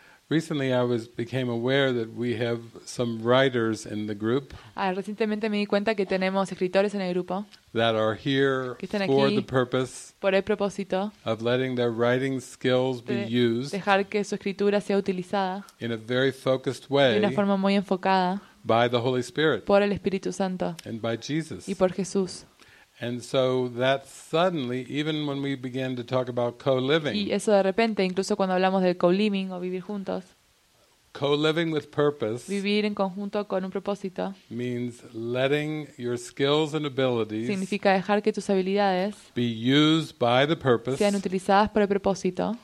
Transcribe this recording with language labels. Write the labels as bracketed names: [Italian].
[English] Recently I became aware that we have some writers in the group. [Spanish] Recientemente me di cuenta que tenemos escritores en el grupo. [English] That are here [Spanish] que están aquí [English] for the purpose. [Spanish] Por el propósito. [English] Of letting their writing skills be used. [Spanish] Dejar que su escritura sea utilizada. [English] In a very focused way. [Spanish] De una forma muy enfocada. [English] By the Holy Spirit. [Spanish] Por el Espíritu Santo. [English] And by Jesus. [Spanish] Y por Jesús. [English] And so that suddenly, even when we began to talk about co-living, [Spanish] y eso de repente, incluso cuando hablamos del co-living o vivir juntos, [English] co-living with purpose, [Spanish] vivir en conjunto con un propósito, [English] means letting your skills and abilities, [Spanish] significa dejar que tus habilidades, [English] be used by the purpose, [Spanish] sean utilizadas por el propósito,